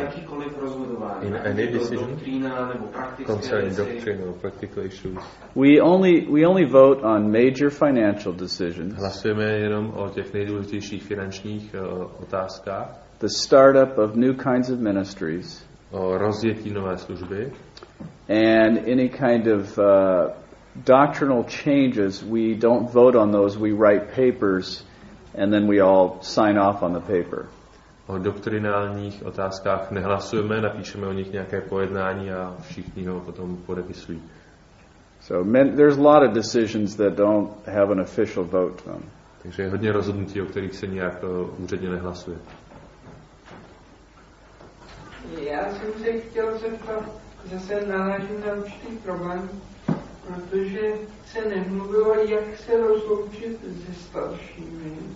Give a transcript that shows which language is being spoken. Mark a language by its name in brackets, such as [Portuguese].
[Czech] Jakýkoliv rozhodování. [English] In any decision. [Czech] Doktrína nebo praktické. [English] Concerning doctrine or practical issues. We only vote on major financial decisions. [Czech] Hlasujeme jenom o těch nejdůležitějších finančních otázkách. [English] The startup of new kinds of ministries. [Czech] O rozjetí nové služby. [English] And any kind of doctrinal changes, we don't vote on those. We write papers, and then we all sign off on the paper. [Czech] O doktrinálních otázkách nehlasujeme, napíšeme o nich nějaké pojednání a všichni ho potom podepisují. [English] So there's a lot of decisions that don't have an official vote on. [Czech] Takže je hodně rozhodnutí, o kterých se nějak úředně nehlasuje. Já jsem se chtěl zeptat, zase narážím na určitý problém, protože se nemluvilo, jak se rozloučit se staršími.